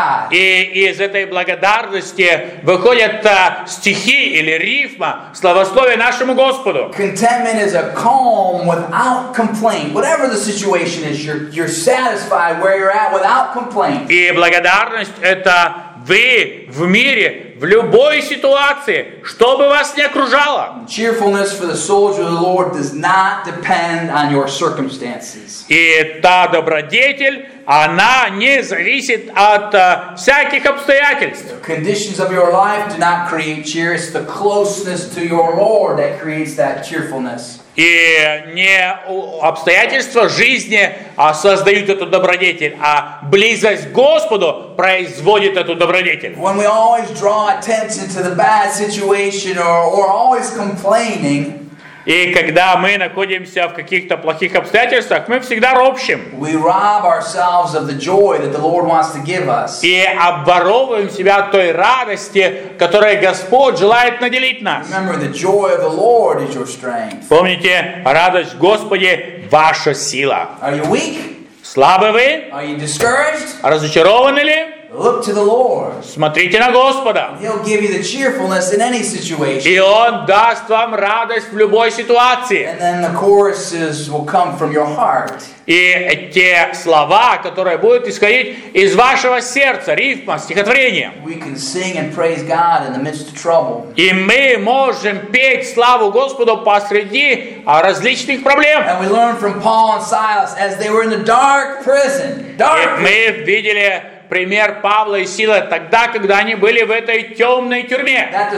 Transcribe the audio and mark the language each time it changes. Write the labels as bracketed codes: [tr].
[ru] И из этой благодарности выходят стихи или рифма славословия нашему Господу. [en] Contentment is a calm without complaint. Whatever the situation is, you're satisfied where you're at without complaint. [ru] И благодарность — это вы в мире, в любой ситуации, что бы вас ни окружало. [en] Cheerfulness for the soldier of the Lord does not depend on your circumstances. [ru] И та добродетель, она не зависит от всяких обстоятельств. [en] The conditions of your life do not create cheer. It's the closeness to your Lord that creates that cheerfulness. [ru] И не обстоятельства жизни создают эту добродетель, а близость к Господу производит эту добродетель. [en] When we always draw attention to the bad situation or always complaining, [ru] и когда мы находимся в каких-то плохих обстоятельствах, мы всегда ропщим. [en] We rob ourselves of the joy that the Lord wants to give us. [ru] И обворовываем себя той радости, которой Господь желает наделить нас. [en] Remember, the joy of the Lord is your strength. [ru] Помните, радость в Господе — ваша сила. [en] Are you weak? [ru] Слабы вы? [en] Are you discouraged? [ru] Разочарованы ли? [en] Look to the Lord. [ru] Смотрите на Господа. [en] He'll give you the cheerfulness in any situation. [ru] И Он даст вам радость в любой ситуации. [en] And then the choruses will come from your heart. [ru] И те слова, которые будут исходить из вашего сердца, рифма, стихотворение. [en] We can sing and praise God in the midst of trouble. [ru] И мы можем петь славу Господу посреди различных проблем. [en] And we learn from Paul and Silas as they were in the dark prison. [ru] И мы видели пример Павла и Силы тогда, когда они были в этой темной тюрьме.